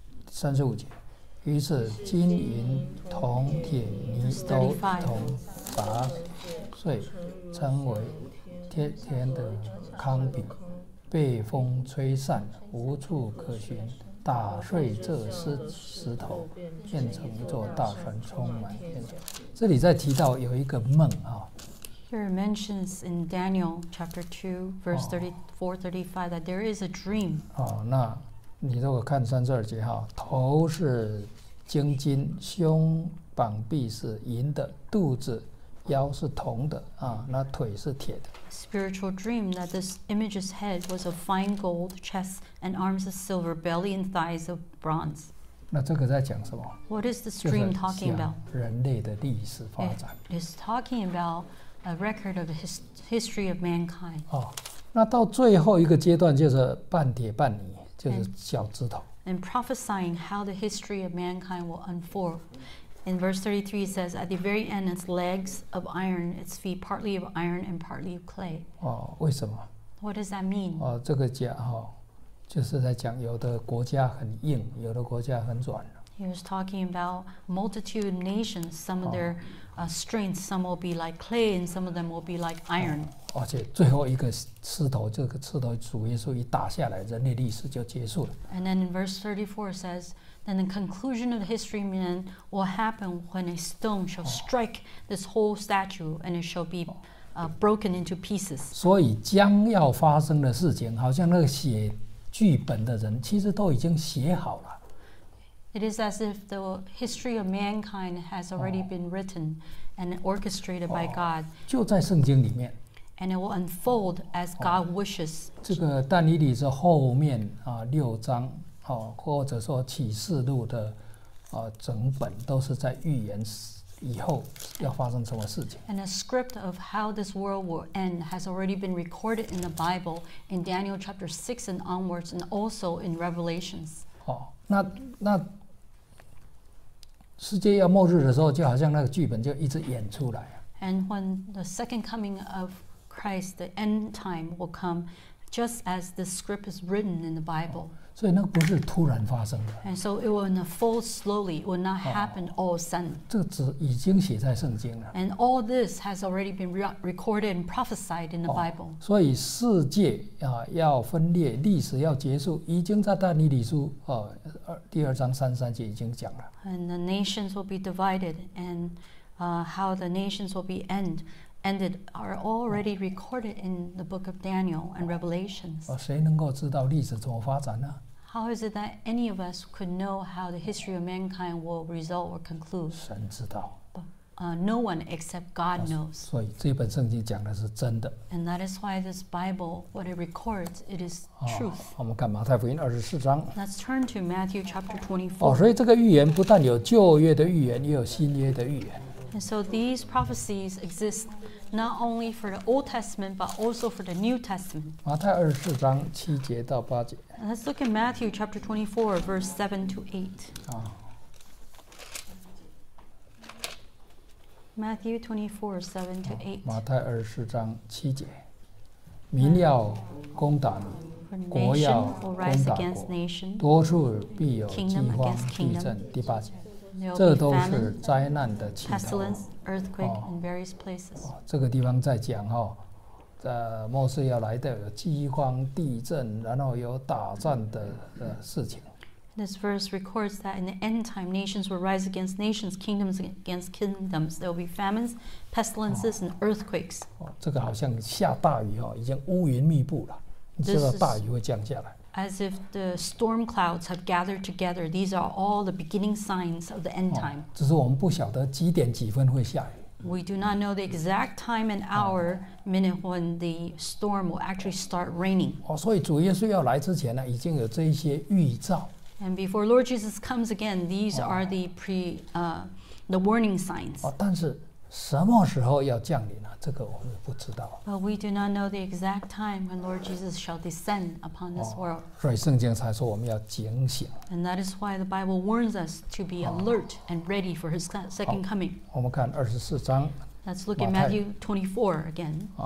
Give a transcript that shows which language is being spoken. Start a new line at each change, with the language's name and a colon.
Chinese: 三十五节，于是金银铜铁泥都一同砸碎，成为天的糠饼，被风吹散，无处可寻。打碎这石头，变成一座大山，充满天下。这里在提到有一个梦
English: Here it mentions in Daniel chapter 2, verse 34-35, that there is a dream.
Chinese: 那你如果看三十二节头是金金，胸膀臂是银的，肚子腰是铜的，那腿是铁的。
English: Spiritual dream that this image's head was of fine gold, chest and arms of silver, belly and thighs of bronze.
Chinese: 那这个在讲什么？
English: What is this dream talking about?
Chinese: 人类的历史发展。
English: It's talking about... A record of the history of mankind.
Chinese: 那到最后一个阶段就是半铁半泥，就是脚趾头。
English: And prophesying how the history of mankind will unfold. In verse 33 it says, at the very end, its legs of iron, its feet partly of iron and partly of clay.
Chinese: 为什么？
English: What does that mean?
Chinese: 这个就是在讲有的国家很硬，有的国家很软。
English: He was talking about multitude of nations, some of their strength, some will be like clay and some of them will be like iron.
Chinese: 而且最后一个刺头，这个刺头主耶稣一打下来，人类历史就结束了。
English: And then in verse 34 says, then the conclusion of the history man will happen when a stone shall strike this whole statue and it shall be broken into pieces.
Chinese: 所以将要发生的事情，好像那个写剧本的人其实都已经写好了。
English: It is as if the history of mankind has already been written and orchestrated by God.
Chinese: 就在圣经里面。
English: And it will unfold as God wishes.
Chinese: 这个但以理是后面六章或者说启示录的整本都是在预言以后要发生什么事情。
English: And a script of how this world will end has already been recorded in the Bible in Daniel chapter 6 and onwards and also in Revelations.
Chinese: 那世界要末日的时候，就好像那个剧本就一直演出来。
English: And when the second coming of Christ, the end time will come, just as the script is written in the Bible.
Chinese: 所以那不是突然发生的。
English: And so it will unfold slowly, it will not happen all of a sudden.
Chinese: 这只已经写在圣经了。
English: And all this has already been recorded and prophesied in the Bible.
Chinese: 所以世界要分裂，历史要结束，已经在但以理书第二章三十三节已经讲了。
English: And the nations will be divided, and how the nations will be ended are already recorded in the book of Daniel and Revelations.
Chinese: 谁能够知道历史怎么发展呢？
English: How is it that any of us could know how the history of mankind will result or conclude?
Chinese: 神知道。
English: No one except God knows.
Chinese: 所以这本圣经讲的是真的。
English: And that is why this Bible, what it records, it is truth.
Chinese: 我们看马太福音二十四章。
English: Let's turn to Matthew chapter 24.
Chinese: 所以这个预言不但有旧约的预言，也有新约的预言。
English: And so these prophecies exist not only for the Old Testament, but also for the New Testament.
Chinese: 马太二十四章七节到八节。
English: Let's look at Matthew chapter 24, verse 7 to 8. Matthew 24, 7 to 8.
Chinese: 马太二十四章七节。民要攻打你，国要攻打国，多处必有饥荒、地震。第八节。这都是灾难的起头。
English: Pestilence, earthquake in various places.
Chinese: 这个地方在讲末世要来的有饥荒、地震，然后有打仗的事情。
English: This verse records that in the end time, nations will rise against nations, kingdoms against kingdoms. There will be famines, pestilences, and earthquakes.
Chinese: 这个好像下大雨已经乌云密布了，你知道大雨会降下来。
English: As if the storm clouds have gathered together, these are all the beginning signs of the end time.
Chinese: 只是我们不晓得几点几分会下雨。
English: We do not know the exact time and hour, minute when the storm will actually start raining.
Chinese: 所以主耶稣要来之前已经有这一些预兆。
English: And before Lord Jesus comes again, these are the warning signs.
Chinese: 但是什么时候要降临这个我们不知道。
English: But we do not know the exact time when Lord Jesus shall descend upon this world.
Chinese: 所以圣经才说我们要警醒。
English: And that is why the Bible warns us to be alert and ready for His second coming.
Chinese: 我们看二十四章。
English: Let's look at Matthew 24 again.